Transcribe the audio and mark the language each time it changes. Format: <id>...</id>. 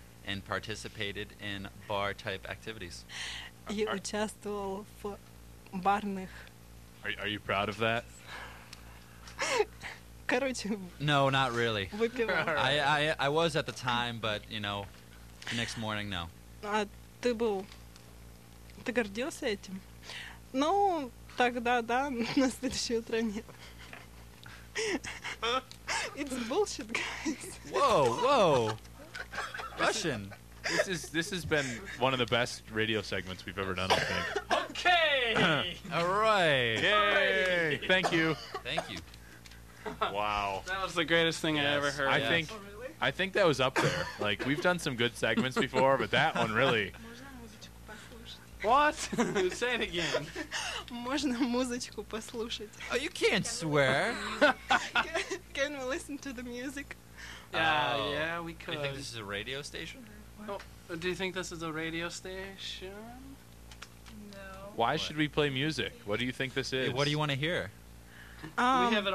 <en>And participated in bar type activities.</en> <ru>Я участвовал в барных.</ru> <en>Are you proud of that?</en> <ru>Короче.</ru> <en>No, not really.</en> <ru>Выпивал.</ru> <en>I was at the time, but you know, the next morning, no.</en> <ru>А ты был? Ты гордился этим? Ну тогда да, на следующее утро нет.</ru> <en>It's bullshit, guys. Whoa. Russian. This has been one of the best radio segments we've ever done, I think. Okay. All right. Yay. Thank you. Thank you. Wow. That was the greatest thing I ever heard. I think that was up there. Like, we've done some good segments before, but that one really. What? Say it again.</en> <ru>Можно музычку послушать.</ru> <en>Oh, you can't swear. Can we listen to the music? Yeah, we could. Do you think this is a radio station? Oh, do you think this is a radio station? No. Why should we play music? What do you think this is? Hey, what do you want to hear? We have it</en>